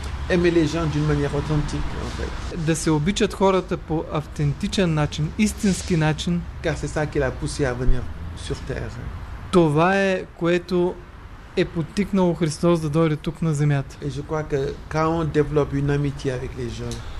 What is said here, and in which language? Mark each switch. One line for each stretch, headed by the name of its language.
French: Aimer les gens d'une manière authentique en fait.
Bulgarian: Да се обичат хората по автентичен начин, истински начин.
French: Car c'est ça qui l'a poussé à venir sur terre.
Bulgarian: Това е което е подтикнало Христос да дойде тук на земята.
French: Et je crois que quand on développe une amitié avec les gens.